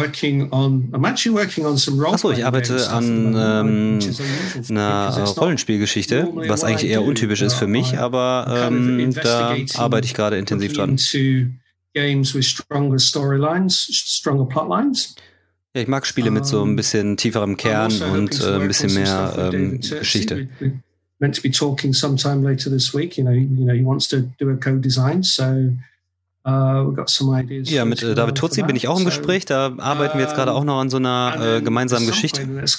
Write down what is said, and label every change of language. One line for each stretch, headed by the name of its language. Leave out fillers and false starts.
English: I'm actually working on some role.
German: Achso, ich arbeite an einer Rollenspielgeschichte, was eigentlich eher untypisch ist für mich, aber da arbeite ich gerade intensiv dran.
English: Games with stronger storylines, stronger plotlines.
German: Ja, ich mag Spiele mit so ein bisschen tieferem Kern und ein bisschen mehr Geschichte.
English: Meant to be talking sometime later this week. You know, he wants to do a co-design, so
German: Ja, mit David Tutzi bin ich auch im Gespräch. Da arbeiten wir jetzt gerade auch noch an so einer gemeinsamen Geschichte.